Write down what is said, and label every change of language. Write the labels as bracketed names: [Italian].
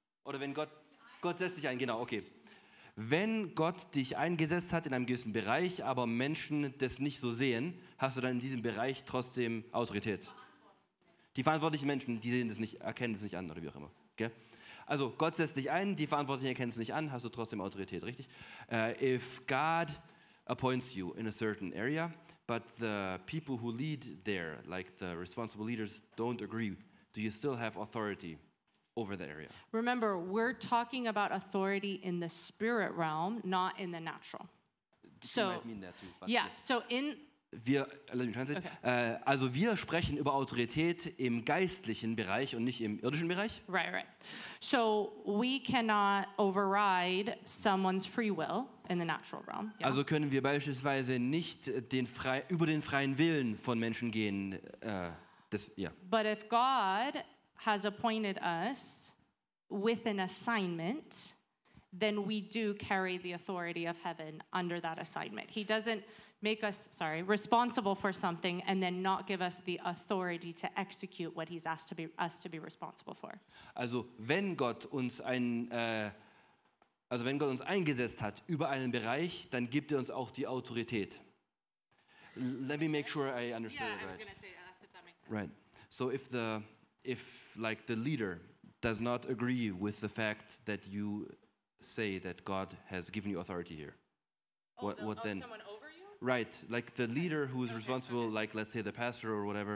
[German] Oder wenn Gott setzt dich ein, genau, okay. Wenn Gott dich eingesetzt hat in einem gewissen Bereich, aber Menschen das nicht so sehen, hast du dann in diesem Bereich trotzdem Autorität? Die verantwortlichen Menschen, die sehen das nicht, erkennen das nicht an oder wie auch immer. Okay? Also Gott setzt dich ein, die Verantwortlichen erkennen es nicht an, hast du trotzdem Autorität, richtig? [English] If God appoints you in a certain area, but the people who lead there, like the responsible leaders, don't agree, do you still have authority over the area? Remember, we're talking about authority in the spirit realm, not in the natural. So, might mean that too, but yeah, yes. So in... Wir, let me translate. Okay. [German] Also wir sprechen über Autorität im geistlichen Bereich und nicht im irdischen Bereich. [English] Right, right. So we cannot override someone's free will in the natural realm. Yeah. [German] Also können wir beispielsweise nicht über den freien Willen von Menschen gehen. [English] But if God has appointed us with an assignment, then we do carry the authority of heaven under that assignment. He doesn't make us, responsible for something and then not give us the authority to execute what he's asked us to be responsible for. [German] Also wenn Gott uns wenn Gott uns eingesetzt hat über einen Bereich, dann gibt uns auch die Autorität. [English] Let me make sure I understand it Yeah, I was going to say, ask if that makes sense. Right. So if like the leader does not agree with the fact that you say that God has given you authority here, what then? Right, like the leader who is responsible, like let's say the pastor or whatever,